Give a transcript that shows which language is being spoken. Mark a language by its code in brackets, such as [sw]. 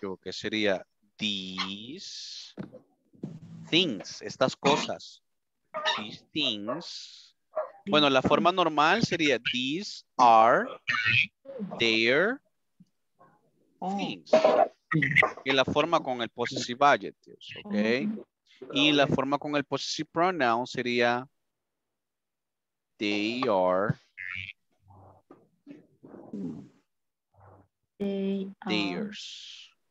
[es] Sería [en] these things, [es] estas cosas. [en] These things. [es] Bueno, la forma normal sería [en] these are their things. [es] Y la forma con el [en] possessive adjectives, [es] ¿ok? Y la forma con el [en] possessive pronoun [es] sería [en] they are. They are. Theirs.